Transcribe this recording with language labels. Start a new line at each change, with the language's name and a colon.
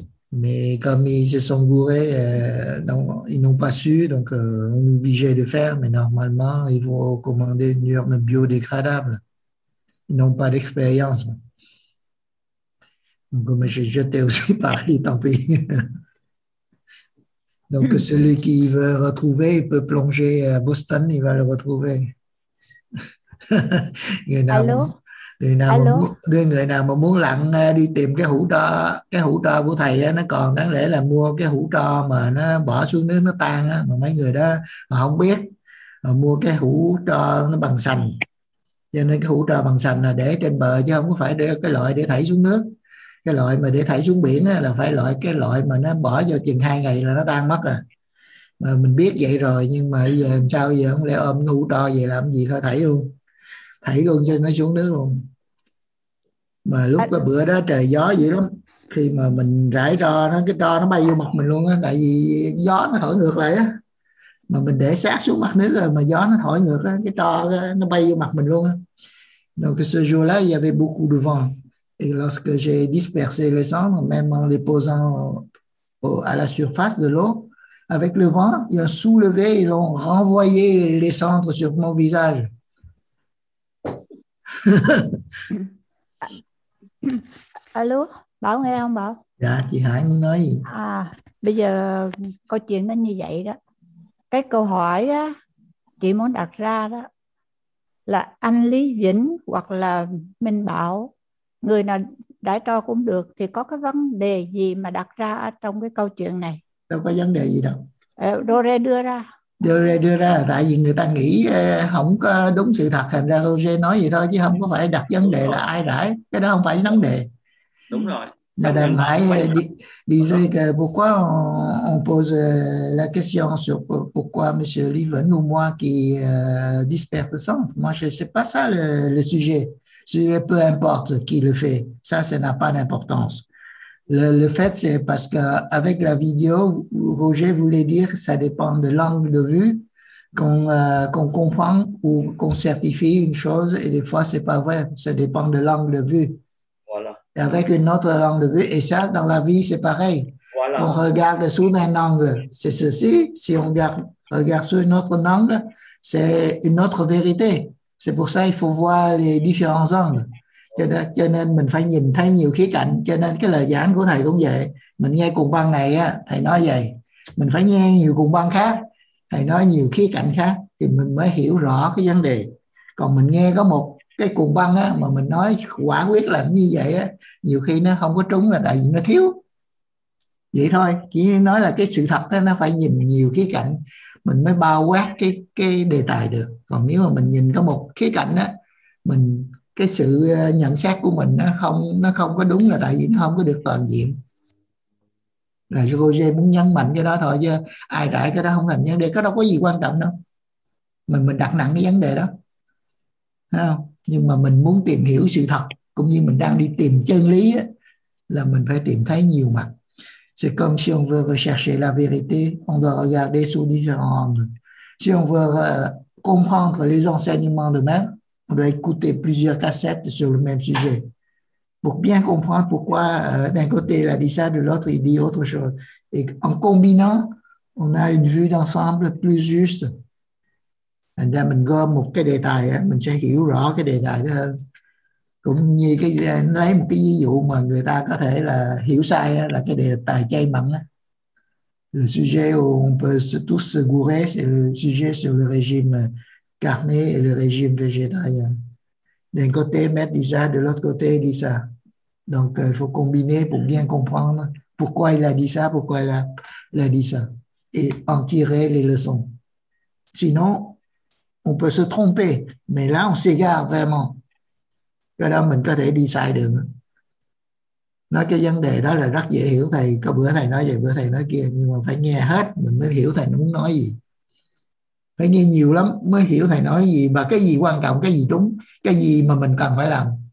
French: Mais comme ils se sont gourés, donc, ils n'ont pas su, donc on est obligé de faire, mais normalement, ils vont commander une urne biodégradable. Ils n'ont pas d'expérience. Donc, mais j'ai jeté aussi Paris, tant pis. Donc, celui qui veut retrouver, il peut plonger à Boston, il va le retrouver. Allô?
Vietnamese: Người nào, mà muốn, người nào mà muốn lặn đi tìm cái hũ tro của thầy ấy, nó còn, đáng lẽ là mua cái hũ tro mà nó bỏ xuống nước nó tan á, mà mấy người đó mà không biết mà mua cái hũ tro nó bằng sành, cho nên cái hũ tro bằng sành là để trên bờ chứ không có phải để cái loại để thảy xuống nước. Cái loại mà để thảy xuống biển là phải loại cái loại mà nó bỏ vô chừng 2 ngày là nó tan mất à. Mà mình biết vậy rồi, nhưng mà giờ làm sao, giờ không lẽ ôm cái hũ tro về làm gì, thôi thảy luôn, thảy luôn cho nó xuống nước luôn. Mà lúc cái bữa đó trời gió dữ lắm, khi mà mình rải tro nó, cái tro nó bay vô mặt mình luôn á, tại vì gió nó thổi ngược lại á, mà mình để sát xuống mặt nước rồi mà gió nó thổi ngược á, cái tro nó bay vô mặt mình luôn á.
French: Donc ce jour-là il y avait beaucoup de vent, et lorsque j'ai dispersé les cendres, même en les posant à la surface de l'eau, avec le vent ils ont soulevé, ils ont renvoyé les cendres sur mon visage.
Vietnamese: Alo, Bảo nghe không Bảo? Dạ, chị Hải muốn nói gì? À, bây giờ câu chuyện nó như vậy đó. Cái câu hỏi đó, chị muốn đặt ra đó là anh Lý Vĩnh hoặc là Minh Bảo, người nào đãi cho cũng được, thì có cái vấn đề gì mà đặt ra trong cái câu chuyện này? Đâu có vấn đề gì đâu. Đô Rê đưa ra. Đưa ra tại vì người ta nghĩ không có đúng sự thật, thành ra Roger nói vậy thôi, chứ không có phải đặt vấn đề là ai rải, cái đó không phải vấn đề. Đúng rồi.
French: Mà đàm hãy disait que pourquoi on pose la question sur pourquoi monsieur Livin ou moi qui disperse ça. Moi je sais pas ça le sujet. C'est peu importe qui le fait, ça n'a pas d'importance. Le fait, c'est parce qu'avec la vidéo, Roger voulait dire que ça dépend de l'angle de vue qu'on comprend ou qu'on certifie une chose, et des fois, c'est pas vrai. Ça dépend de l'angle de vue. Voilà. Et avec une autre angle de vue, et ça, dans la vie, c'est pareil. Voilà. On regarde sous un angle, c'est ceci. Si on regarde sous un autre angle, c'est une autre vérité. C'est pour ça qu'il faut voir les différents angles.
Vietnamese: Cho nên mình phải nhìn thấy nhiều khía cạnh. Cho nên cái lời giảng của thầy cũng vậy. Mình nghe cùng băng này á, thầy nói vậy. Mình phải nghe nhiều cùng băng khác, thầy nói nhiều khía cạnh khác, thì mình mới hiểu rõ cái vấn đề. Còn mình nghe có một cái cùng băng á, mà mình nói quả quyết là như vậy á, nhiều khi nó không có trúng là tại vì nó thiếu. Vậy thôi. Chỉ nói là cái sự thật đó, nó phải nhìn nhiều khía cạnh, mình mới bao quát cái đề tài được. Còn nếu mà mình nhìn có một khía cạnh á, mình... cái sự nhận xét của mình nó không có đúng là tại vì nó không có được toàn diện. Là Roger muốn nhấn mạnh cái đó thôi, chứ ai rải cái đó không thành vấn đề, cái đó có gì quan trọng đâu. Mình đặt nặng cái vấn đề đó. Thấy không? Nhưng mà mình muốn tìm hiểu sự thật, cũng như mình đang đi tìm chân lý ấy, là mình phải tìm thấy nhiều mặt.
French: C'est comme si on veut rechercher la vérité, on doit regarder sous différents angles. Si on veut comprendre les enseignements de maître, on doit écouter plusieurs cassettes sur le même sujet pour bien comprendre pourquoi d'un côté il a dit ça, de l'autre il dit autre chose. Et en combinant, on a une vue d'ensemble plus juste. Et là,
Vietnamese: mình gom một cái đề tài, mình sẽ hiểu rõ cái đề tài. cũng như cái lấy một cái ví dụ mà người ta có thể là hiểu sai đó, là cái đề tài chay mặn đó.
French: Le sujet où on peut se tous se gourer, c'est le sujet sur le régime carné et le régime végétarien. D'un côté, Maître dit ça, de l'autre côté, il dit ça. Donc, il faut combiner pour bien comprendre pourquoi il a dit ça, pourquoi il a dit ça, et en tirer les leçons. Sinon, on peut se tromper, mais là, on s'égare vraiment.
Vietnamese: Cái đó mình có thể đi sai đường. Nói cái vấn đề đó là rất dễ hiểu thầy. Có bữa thầy nói vậy, bữa thầy nói kia. Nhưng mà phải nghe hết mình mới hiểu thầy muốn nói gì. Phải nghe nhiều lắm mới hiểu thầy nói gì. Và cái gì quan trọng, cái gì đúng, cái gì mà mình cần phải làm.